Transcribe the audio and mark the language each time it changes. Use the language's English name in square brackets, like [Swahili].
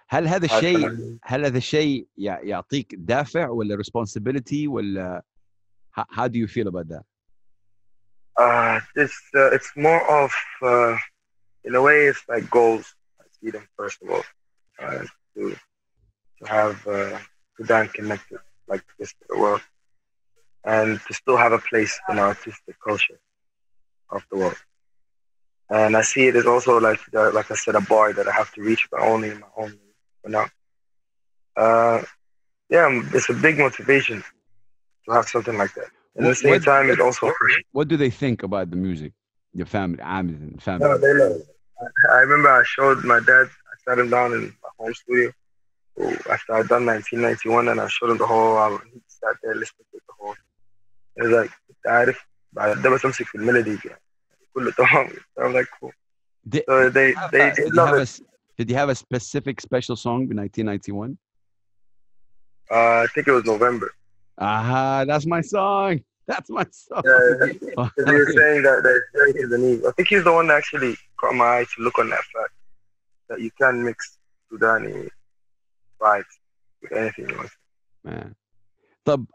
[Arabic] هل هذا الشيء, هل هذا الشيء يعطيك دافع ولا [English] responsibility [Arabic] ولا [English] how do you feel about that? It's more of in a way it's like goals. I see them first of all, to have Sudan connected like this to the world. And to still have a place in our artistic culture of the world. And I see it as also like I said, a bar that I have to reach, but only in my own for now. Yeah, it's a big motivation to have something like that. And at the same time, it also... What do they think about the music? Your family, Amazon family? No, they love it. I remember I showed my dad, I sat him down in my home studio after I'd done 1991, and I showed him the whole album. He sat there listening to the whole thing. It's like, [Arabic] تعرف بعد ده بس أمسك في الميلودي يعني كله تمام. [English] I'm like cool. Did you have a specific special song in 1991? I think it was November. Aha, that's my song. That's my song. Yeah. You were saying that is the need. I think he's the one that actually caught my eye to look on that fact that you can mix Sudani vibes with anything you want.